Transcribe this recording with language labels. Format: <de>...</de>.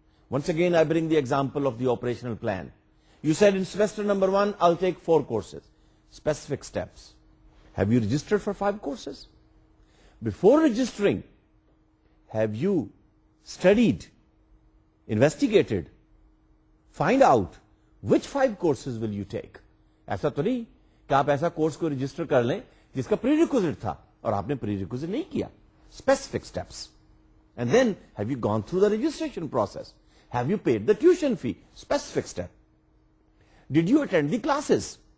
<en>Once again, I bring the example of the operational plan. You said in semester number one, I'll take 4 courses. Specific steps. Have you registered for 5 courses? Before registering, have you studied, investigated, find out, which 5 courses will you take?</en> <ur>ایسا تو نہیں کہ آپ ایسا course کو register کر لیں جس کا پری ریکوزٹ تھا اور آپ نے پری ریکوزٹ نہیں کیا.</ur> <en>Specific steps and then have you gone through the registration process, have you paid the tuition fee, specific step, did you attend the classes.</en>